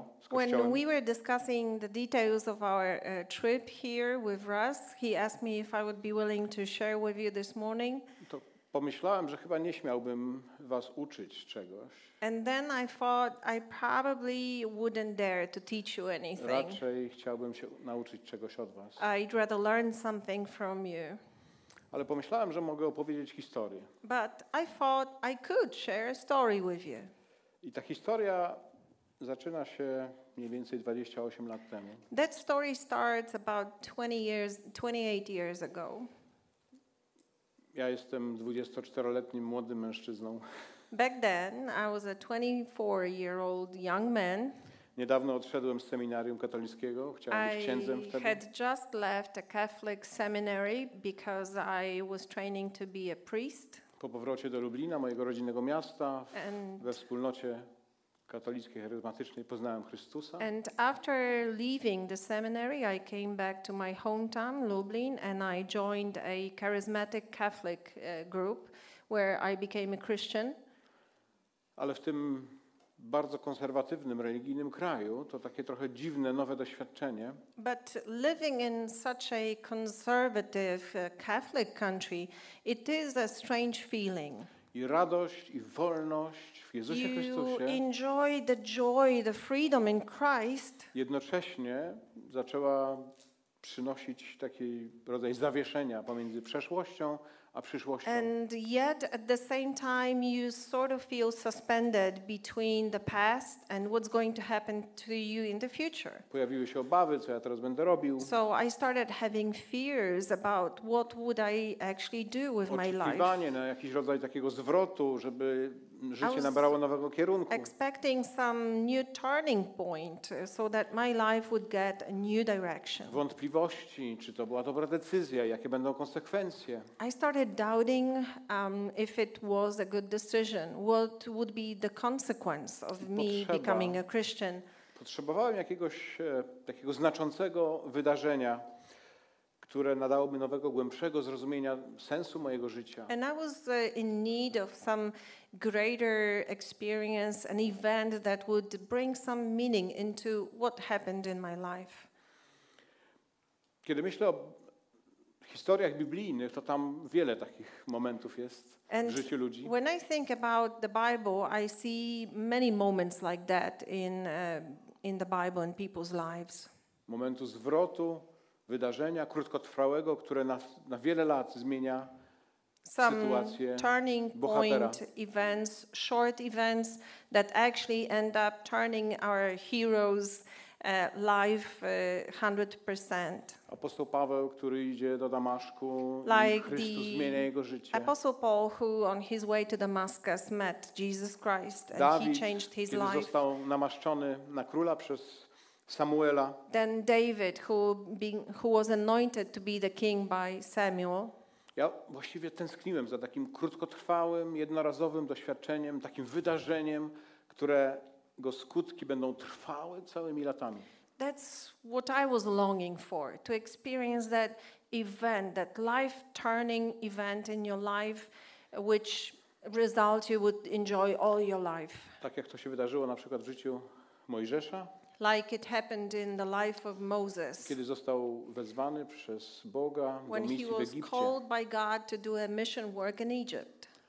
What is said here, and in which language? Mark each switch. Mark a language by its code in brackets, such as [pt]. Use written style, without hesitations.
[en] When we were discussing the details of our trip here with Russ, he asked me if I would be willing to share with you this morning. [pl] To pomyślałem, że chyba nie śmiałbym was uczyć czegoś. [en] And then I thought I probably wouldn't dare to teach you anything. [pl] Raczej chciałbym się nauczyć czegoś od was. [en] I'd rather learn something from you. [pl] Ale pomyślałem, że mogę opowiedzieć historię. [en] But I thought I could share a story with you. [pl] I ta historia zaczyna się mniej więcej 28 lat temu. [en] That story starts about 28 years ago. [pl] Ja jestem 24-letnim młodym mężczyzną. [en] Back then I was a 24-year-old young man. [pl] Niedawno odszedłem z seminarium katolickiego, chciałem być księdzem wtedy. [en] I had just left a Catholic seminary because I was training to be a priest. [pl] Po powrocie do Lublina, mojego rodzinnego miasta, we wspólnocie katolickiej charyzmatycznej poznałem Chrystusa. [en] And after leaving the seminary, I came back to my hometown, Lublin, and I joined a charismatic Catholic group, where I became a Christian. [pl] Ale w tym bardzo konserwatywnym religijnym kraju to takie trochę dziwne nowe doświadczenie. [en] But living in such a conservative Catholic country, it is a strange feeling. [pl] I radość i wolność w Jezusie [en] you [pl] Chrystusie. [en] You enjoy the joy, the freedom in Christ. [pl] Jednocześnie zaczęła przynosić taki rodzaj zawieszenia pomiędzy przeszłością a przyszłością. [en] And yet at the same time you sort of feel suspended between the past and what's going to happen to you in the future. [pl] Pojawiły się obawy, co ja teraz będę robił. [en] So I started having fears about what would I actually do with my life. [pl] Oczekiwanie na jakiś rodzaj takiego zwrotu, żeby życie nabrało nowego kierunku. [en] Expecting some new turning point so that my life would get a new direction. [pl] Wątpliwości, czy to była dobra decyzja, jakie będą konsekwencje. [en] I started doubting if it was a good decision. What would be the consequence of me becoming a Christian? [pl] Potrzebowałem jakiegoś takiego znaczącego wydarzenia, które nadałoby nowego, głębszego zrozumienia sensu mojego życia. [en] And I was in need of some greater experience, an event that would bring some meaning into what happened in my life. [pl] Kiedy myślę o historiach biblijnych, to tam wiele takich momentów jest [en] and [pl] w życiu ludzi. [en] When I think about the Bible, I see many moments like that in the Bible in people's lives. [pl] Momentu zwrotu, wydarzenia krótkotrwałego, które na wiele lat zmienia [en] some [pl] sytuację [en] turning [pl] bohatera. [en] Point events, short events that actually end up turning our hero's life 100%. [pl] Apostoł Paweł, który idzie do Damaszku, [en] like [pl] i Chrystus zmienia jego życie. [en] Apostle Paul, who on his way to Damascus met Jesus Christ and [pl] Dawid, [en] he changed his [pl] kiedy [en] life. [pl] Dawid został namaszczony na króla przez Samuela. [en] Then David, who was anointed to be the king by Samuel. [pl] Ja właściwie tęskniłem za takim krótkotrwałym, jednorazowym doświadczeniem, takim wydarzeniem, którego skutki będą trwałe całymi latami. [en] That's what I was longing for, to experience that event, that life-turning event in your life, which result you would enjoy all your life. [pl] Tak jak to się wydarzyło na przykład w życiu Mojżesza. [en] Like it happened in the life of Moses. [pl] Kiedy został wezwany przez Boga do misji w Egipcie. [en] When he was called by God to do a mission work in Egypt.